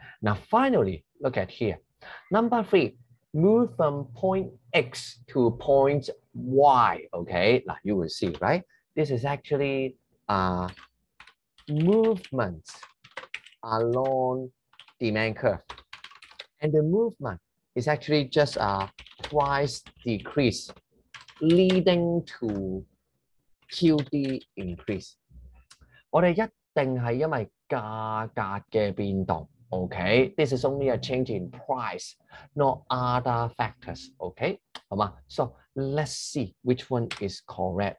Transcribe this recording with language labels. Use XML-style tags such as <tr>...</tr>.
<en>Now finally, look at here. Number 3, move from point X to point Y, okay? 嗱, you will see, right? This is actually a movement along demand curve. And the movement is actually just a price decrease leading to QD increase。</en> <yue>我哋一定係因為價格嘅變動。</yue> <en>Okay, this is only a change in price, not other factors. Okay,</en> <yue>好嘛</yue> <en>？So let's see which one is correct。</en>